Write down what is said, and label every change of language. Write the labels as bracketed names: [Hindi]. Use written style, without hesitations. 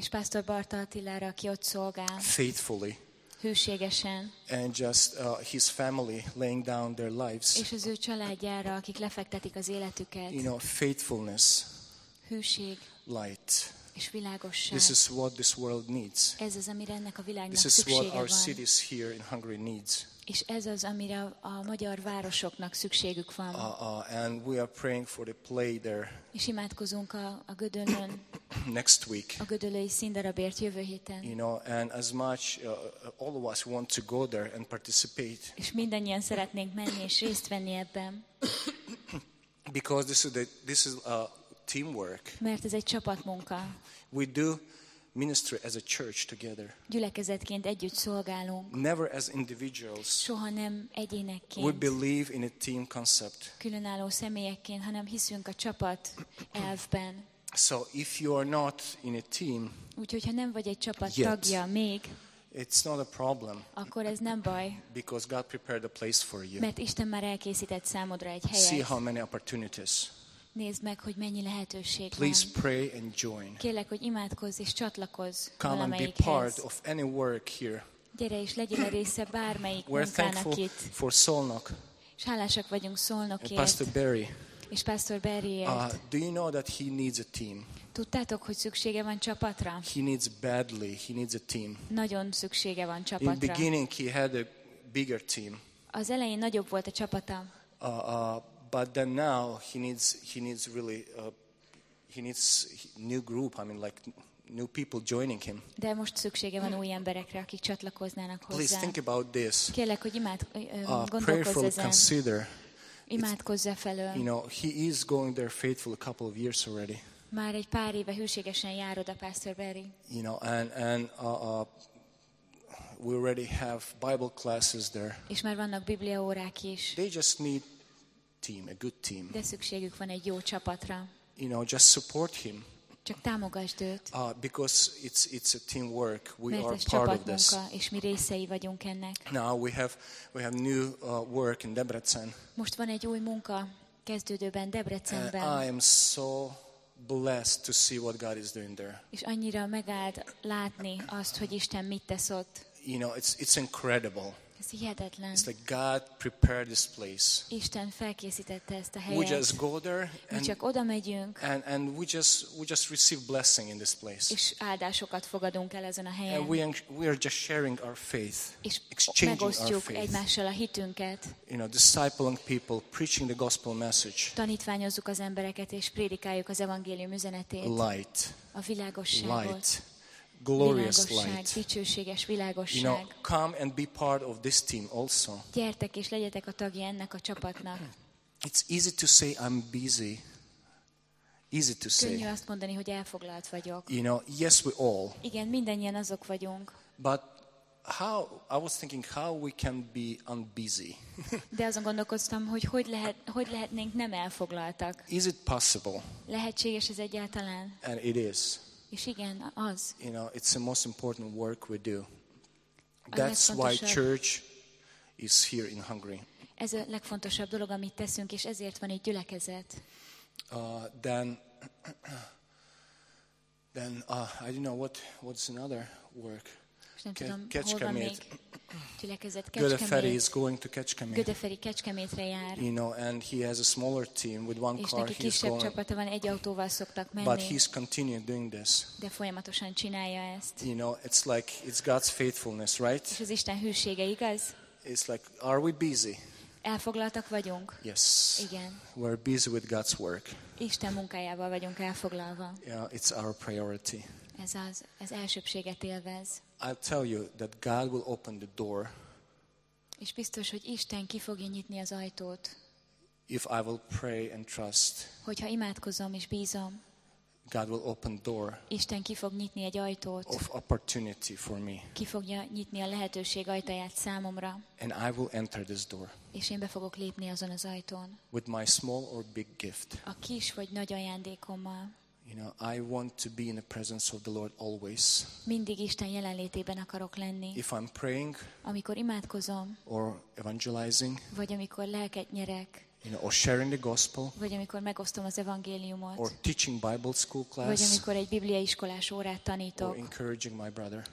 [Hungarian] És Pastor Barta Attilára, aki ott szolgál. [English] Faithfully. [Hungarian] Hűségesen. [English] And just his family laying down their lives. [Hungarian] És az ő családjára, akik lefektetik az életüket. [English] You know, faithfulness. [Hungarian] Hűség. [English] Light. [Hungarian] És világosság. [English] This is what this world needs. [Hungarian] Ez az, amire ennek a világnak [English] this is [Hungarian] szüksége [English] what [Hungarian] van. [English] Our cities here in Hungary needs. [Hungarian] És ez az, amire a magyar városoknak szükségük van. [English] And we are praying for the play there. [Hungarian] És imádkozunk a Gödöllőn. [English] Next week. [Hungarian] A gödöllői színdarabért jövő héten. [English] You know, and as much all of us want to go there and participate. [Hungarian] És mindannyian szeretnénk menni és részt venni ebben. [English] Because this is a teamwork. [Hungarian] Mert ez egy csapatmunka. [English] We do ministry as a church together. [Hungarian] Gyülekezetként együtt szolgálunk. [English] Never as individuals. [Hungarian] Soha nem egyénekként. [English] We believe in a team concept. [Hungarian] Különálló személyekként, hanem hiszünk a csapat elvben. [English] So if you are not in a team, [Hungarian] úgyhogy ha nem vagy egy csapat tagja még, [English] it's not a problem. [Hungarian] Akkor ez nem baj. [English] Because God prepared a place for you. [Hungarian] Mert Isten már elkészített számodra egy helyet. [English] See how many opportunities. [Hungarian] Nézd meg, hogy mennyi lehetőség van. [English] Please pray and join. [Hungarian] Kérlek, hogy imádkozz és csatlakozz [English] come and be part of any work here. [Hungarian] Gyere és legyél a része bármelyik munkának itt. [English] For Szolnok. [Hungarian] És hálásak vagyunk Szolnokért. [English] Pastor Barry. [Hungarian] És Pastor Barryért. [English] Do you know that he needs a team? [Hungarian] Tudtátok, hogy szüksége van csapatra? [English] He needs badly. He needs a team. [Hungarian] Nagyon szüksége van csapatra. [English] In the beginning he had a bigger team. [Hungarian] Az elején nagyobb volt a csapata. [English] But then now he needs really he needs new group. I mean like new people joining him. [Hungarian] De most szüksége van új emberekre, akik csatlakoznának hozzá. [English] Please think about this. [Hungarian] Kérlek, hogy gondolkozz ezen. [English] Consider. [Hungarian] Imádkozz-e felől. [English] You know, he is going there faithful a couple of years already. [Hungarian] Már egy pár éve hűségesen jár oda Pastor Barry. [English] You know, we already have Bible classes there. [Hungarian] És már vannak bibliaórák is. [English] They just need team, a good team. [Hungarian] De szükségük van egy jó csapatra. [English] You know, just support him. [Hungarian] Csak támogasd őt. [English] Because it's a teamwork. We [Hungarian] Mert [English] are part of this. [Hungarian] És mi részei vagyunk ennek. [English] Now we have new work in Debrecen. [Hungarian] Most van egy új munka kezdődőben Debrecenben. [English] I am so blessed to see what God is doing there. [Hungarian] És annyira megáld látni azt, hogy Isten mit tesz ott. [English] You know, it's incredible. [Hungarian] Ez hihetetlen. [English] It's like God prepared this place. [Hungarian] Isten felkészítette ezt a helyet. [English] We just go there and [Hungarian] mi csak oda megyünk. [English] And we just receive blessing in this place. [Hungarian] És áldásokat fogadunk el ezen a helyen. [English] And we are just sharing our faith. [Hungarian] És megosztjuk egymással a hitünket. [English] You know, discipling people, preaching the gospel message. [Hungarian] Tanítványozzuk az embereket és prédikáljuk az evangélium üzenetét. [English] Light. [Hungarian] A világosságot. [English] Light. Glorious [Hungarian] világosság, [English] light. [Hungarian] Dicsőséges világosság. [English] You know, come and be part of this team also. [Hungarian] Gyertek és legyetek a tagja ennek a csapatnak. [English] It's easy to say I'm busy. Easy to say. [Hungarian] Könnyű azt mondani, hogy elfoglalt vagyok. [English] You know, yes we all. [Hungarian] Igen, mindannyian azok vagyunk. [English] But how I was thinking how we can be unbusy. [Hungarian] De azon gondolkoztam, hogy lehetnénk nem elfoglaltak. [English] Is it possible? [Hungarian] Lehetséges ez egyáltalán? [English] And it is. [Hungarian] És igen, az. [English] You know, it's the most important work we do. That's why church is here in Hungary. [Hungarian] Ez a legfontosabb dolog, amit teszünk, és ezért van itt gyülekezet. [English] I don't know what's another work. [Hungarian] Kecskemét. Gyülekezet Kecskemét. [English] Göde Feri is going to Kecskemét. [Hungarian] Göde Feri Kecskemétre jár. [English] You know, and he has a smaller team with one car. [Hungarian] És neki kisebb csapata van, egy autóval szoktak menni. [English] But he's continuing doing this. [Hungarian] De folyamatosan csinálja ezt. [English] You know, it's like it's God's faithfulness, right? [Hungarian] És az Isten hűsége, igaz? [English] It's like, are we busy? [Hungarian] Elfoglaltak vagyunk. [English] Yes. [Hungarian] Igen. [English] We're busy with God's work. [Hungarian] Isten munkájával vagyunk elfoglalva. [English] Yeah, it's our priority. [Hungarian] Ez elsőbséget élvez. [English] I'll tell you that God will open the door. [Hungarian] És biztos, hogy Isten ki fogja nyitni az ajtót. [English] If I will pray and trust. [Hungarian] Hogyha imádkozom és bízom. [English] God will open door. [Hungarian] Isten ki fog nyitni egy ajtót. [English] Of opportunity for me. [Hungarian] Ki fogja nyitni a lehetőség ajtaját számomra. [English] And I will enter this door. [Hungarian] És én be fogok lépni azon az ajtón. [English] With my small or big gift. [Hungarian] A kis vagy nagy ajándékommal. [English] You know, I want to be in the presence of the Lord always. [Hungarian] Mindig Isten jelenlétében akarok lenni. [English] If I'm praying, [Hungarian] amikor imádkozom, [English] or evangelizing, [Hungarian] vagy amikor lelket nyerek, [English] you know, or sharing the gospel, [Hungarian] vagy amikor megosztom az evangéliumot, [English] or teaching Bible school class, [Hungarian] vagy amikor egy bibliai iskolás órát tanítok, [English] or encouraging my brother,